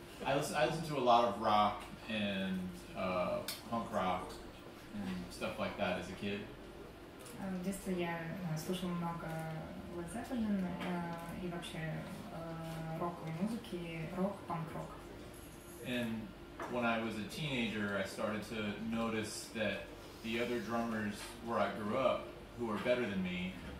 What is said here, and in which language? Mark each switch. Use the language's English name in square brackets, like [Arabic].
[English] I listen to a lot of rock and punk rock and stuff like that as a kid. [Russian] Детстве я слушал много Led Zeppelin и вообще роковой музыки, рок, панк рок. [English] And when I was a teenager, I started to notice that the other drummers where I grew up, who are better than me.